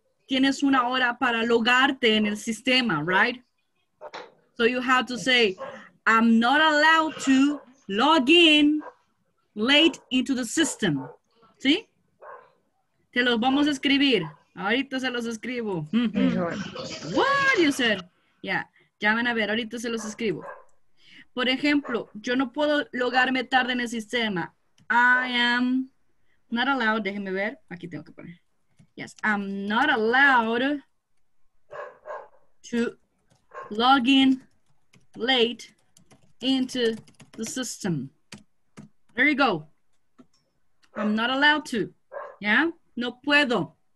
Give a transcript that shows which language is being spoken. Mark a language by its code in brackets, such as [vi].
[es] Tienes una hora para logarte en el sistema, right? [en] So you have to say, I'm not allowed to log in late into the system. [es] ¿Sí? Te los vamos a escribir. Ahorita se los escribo. [en] What you said? Yeah. [es] Ya van a ver. Ahorita se los escribo. Por ejemplo, yo no puedo logarme tarde en el sistema. [en] I am not allowed. [es] Déjenme ver. Aquí tengo que poner. [en] Yes, I'm not allowed to log in late into the system. There you go. I'm not allowed to. Yeah? [es] No puedo.